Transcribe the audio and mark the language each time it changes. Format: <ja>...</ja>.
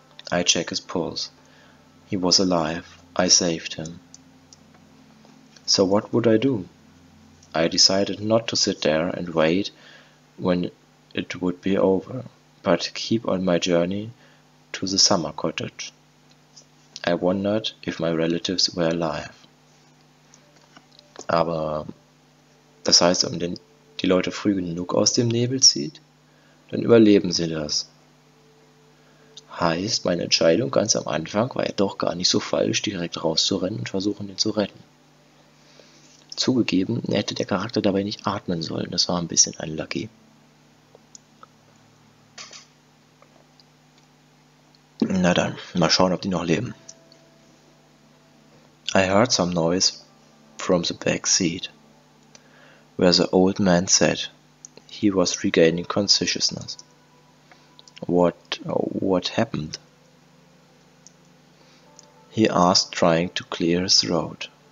<en>I checked his pulse. He was alive. I saved him. So what would I do? I decided not to sit there and wait when it would be over, but keep on my journey to the summer cottage. I wondered if my relatives were alive.</en> <de>Aber das heißt, wenn die Leute früh genug aus dem Nebel zieht, dann überleben sie das. Heißt, meine Entscheidung ganz am Anfang war ja doch gar nicht so falsch, direkt rauszurennen und versuchen, ihn zu retten. Zugegeben, hätte der Charakter dabei nicht atmen sollen. Das war ein bisschen unlucky. Na dann, mal schauen, ob die noch leben.</de> <en>I heard some noise from the back seat, where the old man said he was regaining consciousness. What happened? He asked, trying to clear his throat.</en>